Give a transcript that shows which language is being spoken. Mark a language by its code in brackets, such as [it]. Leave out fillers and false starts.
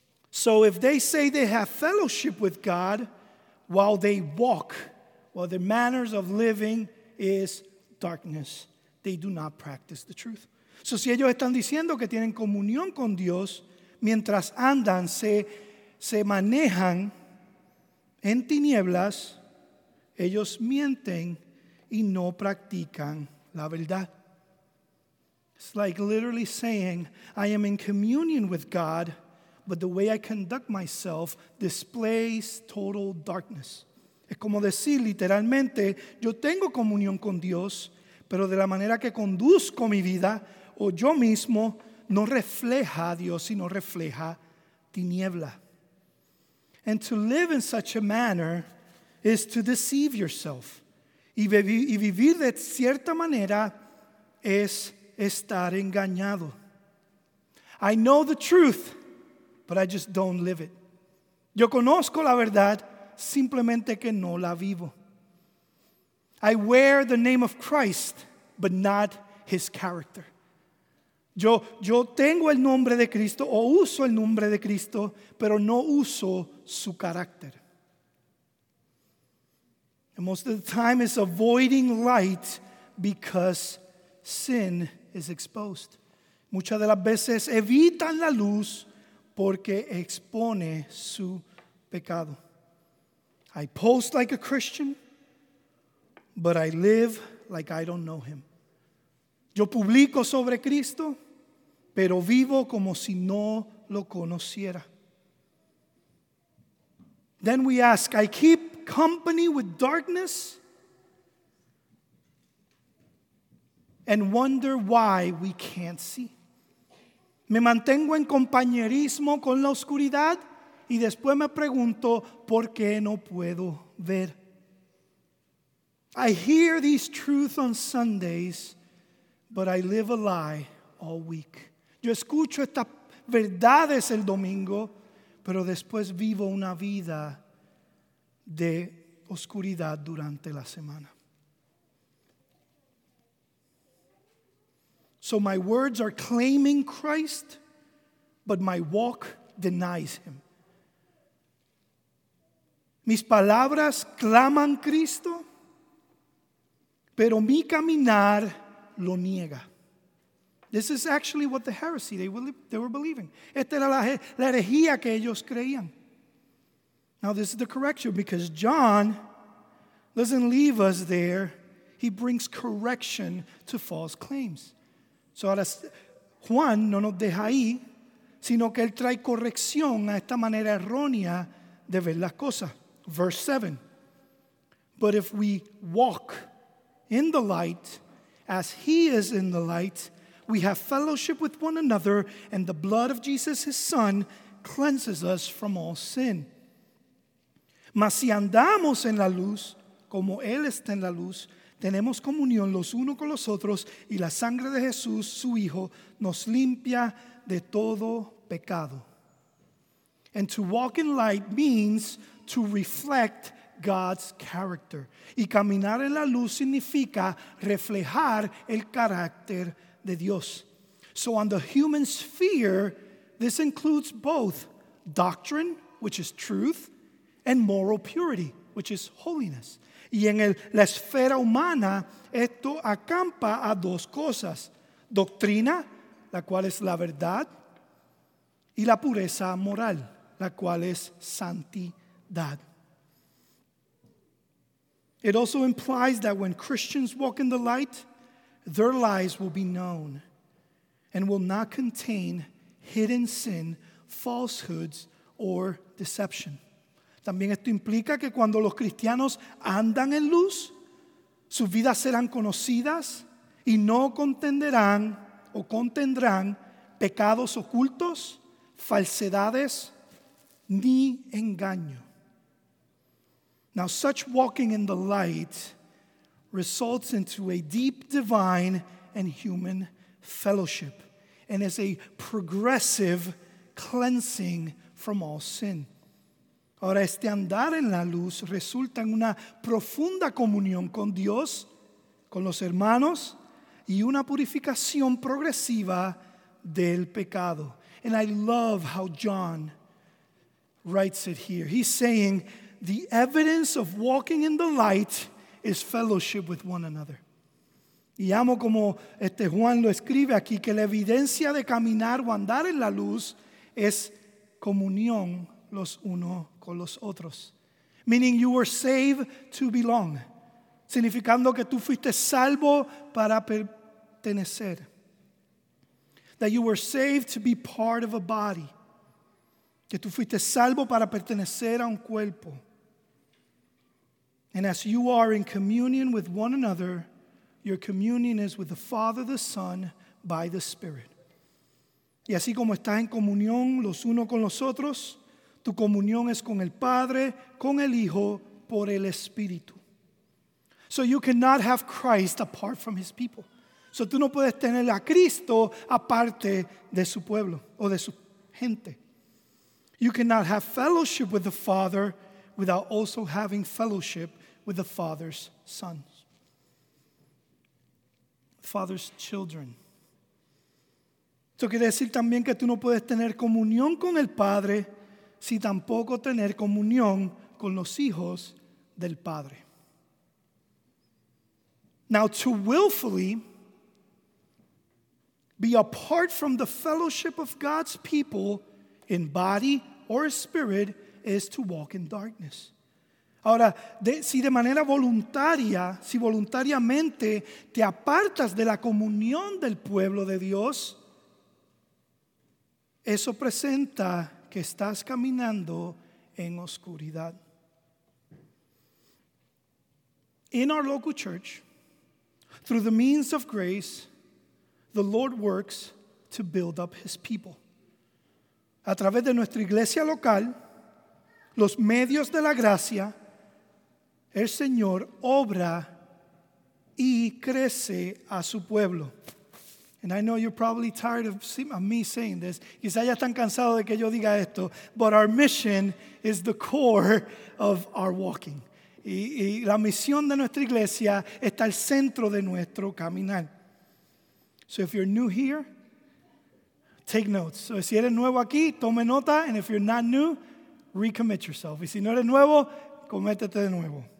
[en] So if they say they have fellowship with God while they walk, while their manners of living is darkness, they do not practice the truth. [es] So si ellos están diciendo que tienen comunión con Dios, mientras andan, se manejan en tinieblas, ellos mienten y no practican la verdad. [en] It's like literally saying, I am in communion with God, but the way I conduct myself displays total darkness. [es] Es como decir literalmente, yo tengo comunión con Dios, pero de la manera que conduzco mi vida, o yo mismo, no refleja a Dios, sino refleja tiniebla. [en] And to live in such a manner is to deceive yourself. [es] Y vivir de cierta manera es estar engañado. [en] I know the truth, but I just don't live it. [es] Yo conozco la verdad, simplemente que no la vivo. [en] I wear the name of Christ, but not his character. [es] Yo tengo el nombre de Cristo, o uso el nombre de Cristo, pero no uso su carácter. [en] And most of the time it's avoiding light because sin is exposed. [es] Muchas de las veces evitan la luz porque expone su pecado. [en] I post like a Christian, but I live like I don't know him. [es] Yo publico sobre Cristo, pero vivo como si no lo conociera. [en] Then we ask, I keep company with darkness and wonder why we can't see. [es] Me mantengo en compañerismo con la oscuridad y después me pregunto por qué no puedo ver. [en] I hear these truths on Sundays, but I live a lie all week. [es] Yo escucho estas verdades el domingo, pero después vivo una vida de oscuridad durante la semana. [en] So my words are claiming Christ, but my walk denies him. [es] Mis palabras claman Cristo, pero mi caminar lo niega. [en] This is actually what the heresy they were believing. [es] Esta era la herejía que ellos creían. [en] Now this is the correction, because John doesn't leave us there. He brings correction to false claims. [es] So ahora Juan no nos deja ahí, sino que él trae corrección a esta manera errónea de ver las cosas. [en] Verse 7. But if we walk in the light as he is in the light, we have fellowship with one another, and the blood of Jesus, his Son, cleanses us from all sin. [es] Mas si andamos en la luz, como él está en la luz, tenemos comunión los unos con los otros, y la sangre de Jesús, su Hijo, nos limpia de todo pecado. [en] And to walk in light means to reflect God's character. [es] Y caminar en la luz significa reflejar el carácter de Dios. [en] So on the human sphere, this includes both doctrine, which is truth, and moral purity, which is holiness. [es] Y en la esfera humana, esto acampa a dos cosas: doctrina, la cual es la verdad, y la pureza moral, la cual es santidad. [en] It also implies that when Christians walk in the light, their lives will be known and will not contain hidden sin, falsehoods, or deception. [es] También esto implica que cuando los cristianos andan en luz, sus vidas serán conocidas y no contenderán o contendrán pecados ocultos, falsedades, ni engaño. [en] Now, such walking in the light results into a deep divine and human fellowship and is a progressive cleansing from all sin. [es] Ahora, este andar en la luz resulta en una profunda comunión con Dios, con los hermanos, y una purificación progresiva del pecado. [en] And I love how John writes it here. He's saying, the evidence of walking in the light is fellowship with one another. [es] Y amo como este Juan lo escribe aquí, que la evidencia de caminar o andar en la luz es comunión los unos con los otros. [en] Meaning you were saved to belong. [es] Significando que tú fuiste salvo para pertenecer. [en] That you were saved to be part of a body. [es] Que tú fuiste salvo para pertenecer a un cuerpo. [en] And as you are in communion with one another, your communion is with the Father, the Son, by the Spirit. [es] Y así como estás en comunión los unos con los otros, tu comunión es con el Padre, con el Hijo, por el Espíritu. [en] So you cannot have Christ apart from his people. [es] So tú no puedes tener a Cristo aparte de su pueblo o de su gente. [en] You cannot have fellowship with the Father without also having fellowship with the Father's sons. Father's children. [es] Esto quiere decir también que tú no puedes tener comunión con el Padre si tampoco tener comunión con los hijos del Padre. [en] Now, to willfully be apart from the fellowship of God's people in body or spirit is to walk in darkness. [es] Ahora, si de manera voluntaria, si voluntariamente te apartas de la comunión del pueblo de Dios, eso presenta que estás caminando en oscuridad. [en] In our local church, through the means of grace, the Lord works to build up his people. [es] A través de nuestra iglesia local, los medios de la gracia, el Señor obra y crece a su pueblo. [en] And I know you're probably tired of me saying this. [es] Quizá ya están cansados de que yo diga esto. [en] But our mission is the core of our walking. [es] Y la misión de nuestra iglesia está al centro de nuestro caminar. [en] So if you're new here, take notes. So [es] si eres nuevo aquí, tome nota. [en] And if you're not new, recommit yourself. [es] Y si no eres nuevo, cométete de nuevo.